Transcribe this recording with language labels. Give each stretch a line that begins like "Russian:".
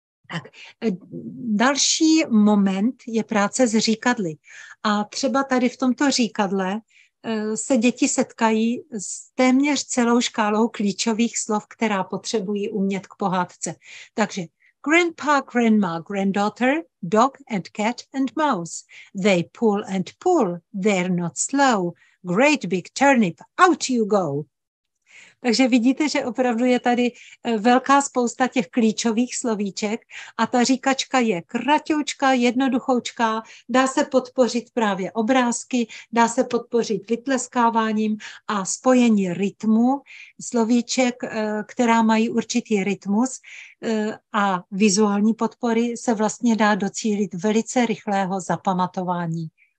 Czech: Tak, další moment je práce s říkadly. A třeba tady v tomto říkadle se děti setkají s téměř celou škálou klíčových slov, která potřebují umět k pohádce.
English: Takže grandpa, grandma, granddaughter, dog and cat and mouse. They pull and pull, they're not slow. Great big turnip, out you go.
Czech: Takže vidíte, že opravdu je tady velká spousta těch klíčových slovíček a ta říkačka je kratoučká, jednoduchoučká, dá se podpořit právě obrázky, dá se podpořit vytleskáváním a spojení rytmu slovíček, která mají určitý rytmus a vizuální podpory se vlastně dá docílit velice rychlého zapamatování.